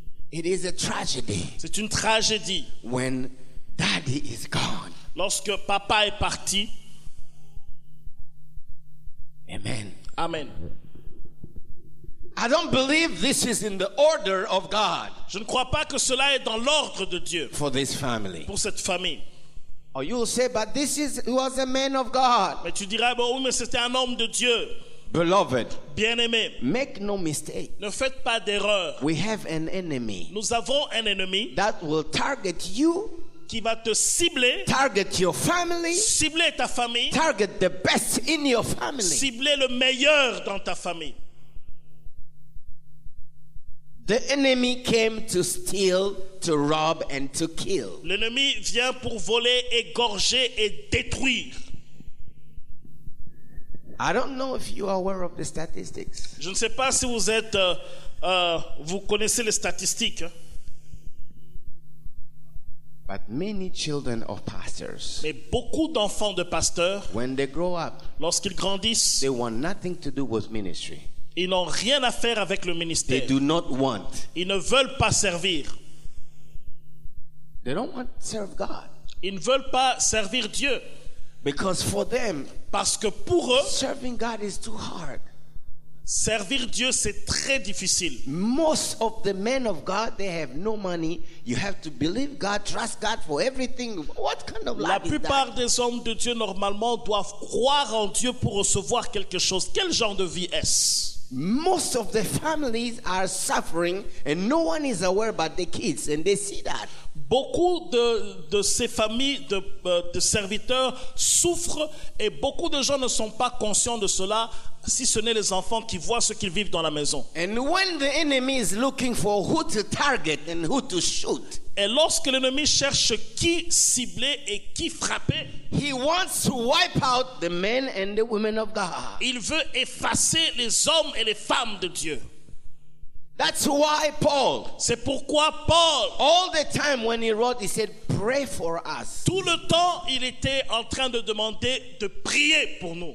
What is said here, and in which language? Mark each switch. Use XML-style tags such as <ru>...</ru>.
<en>It is a tragedy.</en> <fr>C'est une tragédie.</fr> <en>When daddy is gone.</en> <fr>Lorsque papa est parti. Amen. Amen.</fr> <en>I don't believe this is in the order of God.</en> <fr>Je ne crois pas que cela est dans l'ordre de Dieu.</fr> <en>For this family.</en> <fr>Pour cette famille.</fr> <en>Or you will say, but this is was a man of God.</en> <fr>Mais tu diras, bon, oui, mais c'était un homme de Dieu.</fr> <en>Beloved.</en> <fr>Bien-aimé.</fr> <en>Make no mistake.</en> <fr>Ne faites pas d'erreur.</fr> <en>We have an enemy.</en> <fr>Nous avons un ennemi.</fr> <en>That will target you.</en> <fr>Qui va te cibler.</fr> <en>Target your family.</en> <fr>Cibler ta famille.</fr> <en>Target the best in your family.</en> <fr>Cibler le meilleur dans ta famille.</fr> <en>The enemy came to steal, to rob, and to kill.</en> <fr>L'ennemi vient pour voler, égorger et détruire.</fr> <en>I don't know if you are aware of the statistics.</en> <fr>Je ne sais pas si vous êtes, vous connaissez les statistiques.</fr> <en>But many children of pastors.</en> <fr>Mais beaucoup d'enfants de pasteurs.</fr> <en>When they grow up.</en> <fr>Lorsqu'ils grandissent.</fr> <en>They want nothing to do with ministry.</en> <fr>Ils n'ont rien à faire avec le ministère.</fr> <en>They do not want.</en> <fr>Ils ne veulent pas servir.</fr> <en>They don't want to serve God.</en> <fr>Ils ne veulent pas servir Dieu.</fr> <en>Because for them,</en> <fr>parce que pour eux,</fr> <en>serving God is too hard.</en> <fr>Servir Dieu, c'est très difficile.</fr> <en>Most of the men of God, they have no money. You have to believe God, trust God for everything. What kind of life is that?</en> <fr>La plupart des hommes de Dieu normalement doivent croire en Dieu pour recevoir quelque chose. Quel genre de vie est-ce?</fr> <en>Most of the families are suffering and no one is aware about the kids and they see that.</en> <fr>Beaucoup de ces familles de serviteurs souffrent et beaucoup de gens ne sont pas conscients de cela si ce n'est les enfants qui voient ce qu'ils vivent dans la maison.</fr> <en>And when the enemy is looking for who to target and who to shoot.</en> <fr>Et lorsque l'ennemi cherche qui cibler et qui frapper,</fr> <en>he wants to wipe out the men and the women of God.</en> <fr>Il veut effacer les hommes et les femmes de Dieu.</fr> <en>That's why Paul.</en> <fr>C'est pourquoi Paul.</fr> <en>All the time when he wrote, he said, "Pray for us."</en> <fr>Tout le temps, il était en train de demander de prier pour nous.</fr>